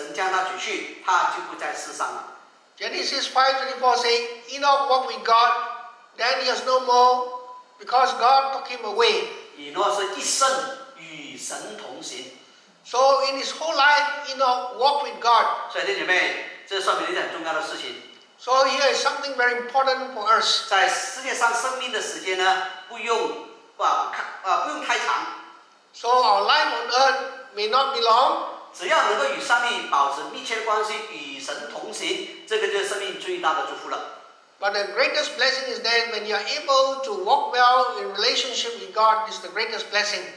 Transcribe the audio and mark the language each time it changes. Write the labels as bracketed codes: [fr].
[zh] 24节，创世纪15章第5章24节，以诺与神同行，神将他举去，他就不在世上了。 [en] Genesis 5:24 say, Enoch walked with God, then he was no more, because God took him away. [zh] 以诺是一生与神同行。 [en] So in his whole life, Enoch walked with God. [zh] 所以弟兄姐妹，这说明一件很重要的事情。 [en] So here is something very important for us. [zh] 在世界上生命的时间呢，不用太长。 [en] So our life on earth may not be long. [zh] 只要能够与上帝保持密切的关系，与神同行，这个就是生命最大的祝福了。 [en] But the greatest blessing is that when you are able to walk well in relationship with God is the greatest blessing.